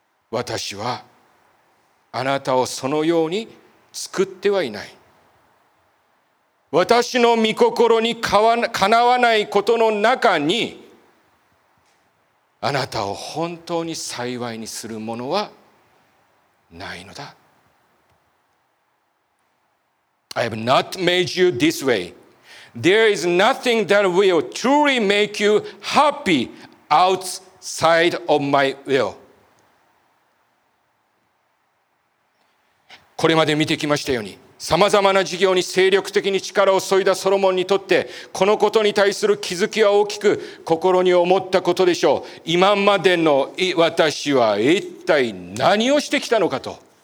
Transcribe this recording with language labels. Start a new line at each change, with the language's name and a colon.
Japanese: 私はあなたをそのように作ってはいない。私の御心にかなわないことの中に、あなたを本当に幸いにするものはないのだ。
English: I have not made you this way. There is nothing that will truly make you happy outside of my will.
Japanese: これまで見てきましたように、さまざまな事業に精力的に力を注いだソロモンにとって、このことに対する気づきは大きく心に思ったことでしょう。今までの私は一体何をしてきたのかと。